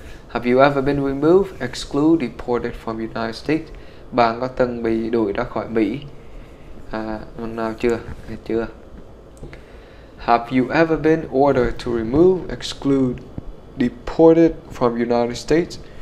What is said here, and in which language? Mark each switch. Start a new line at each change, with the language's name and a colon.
English: Have you ever been removed, excluded, deported from the United States?
Vietnamese: Bạn có từng bị đuổi ra khỏi Mỹ nào chưa? Chưa.
English: Have you ever been ordered to remove, exclude, deported from United States?